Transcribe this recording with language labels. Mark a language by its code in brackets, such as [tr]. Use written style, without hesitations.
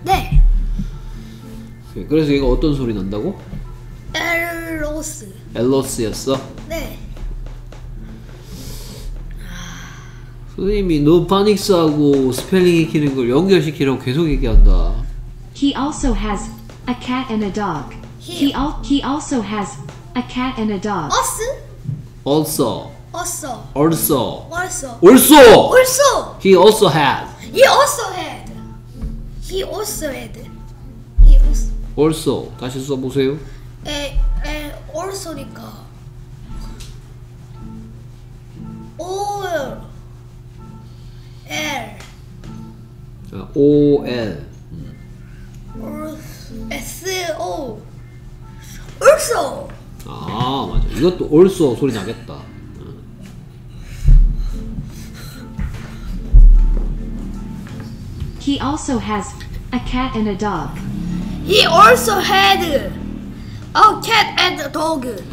[ko] 네. 그래서 이거 어떤 소리 난다고? 엘로스. 엘로스였어? 네. 선생님이 너 파닉스하고 스펠링 익히는 걸 연결시키라고 계속 얘기한다. [en] He also has a cat and a dog. He also has a cat and a dog. Also. Also. Also. Also. Also. Also. He also has. He also had. He also had. He also. Also. [ko] 다시 써보세요. 에 올소니까 올 L 아 OL S O 올소. 아 맞아 이것도 올소 소리 나겠다. [en] 응. He also has a cat and a dog. He also had a cat and a dog.